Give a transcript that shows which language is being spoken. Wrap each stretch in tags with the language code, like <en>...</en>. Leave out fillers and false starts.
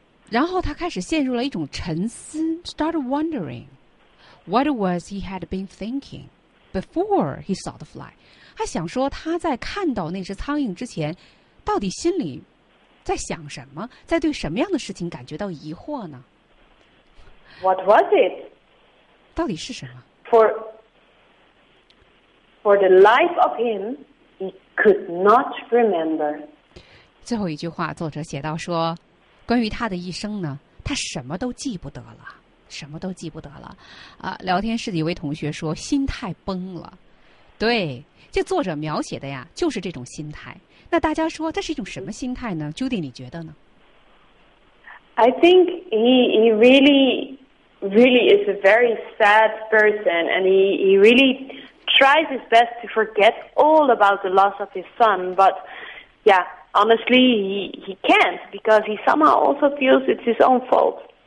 <zh>然后他开始陷入了一种沉思 ，</zh> <en>started wondering what was he had been thinking before he saw the fly。</en> <zh>他想说他在看到那只苍蝇之前，到底心里在想什么，在对什么样的事情感觉到疑惑呢</zh> <en>？What was it？</en> <zh>到底是什么</zh> <en>？For the life of him, he could not remember.</en> <zh>最后一句话，作者写到说，关于他的一生呢，他什么都记不得了，什么都记不得了。啊，聊天室的一位同学说，心态崩了。对，这作者描写的呀，就是这种心态。那大家说，这是一种什么心态呢 ？Judy， 你觉得呢</zh> <en>I think he really, really is a very sad person, and he really tries his best to forget all about the loss of his son, but yeah, honestly, he can't, because he somehow also feels it's his own fault.</en>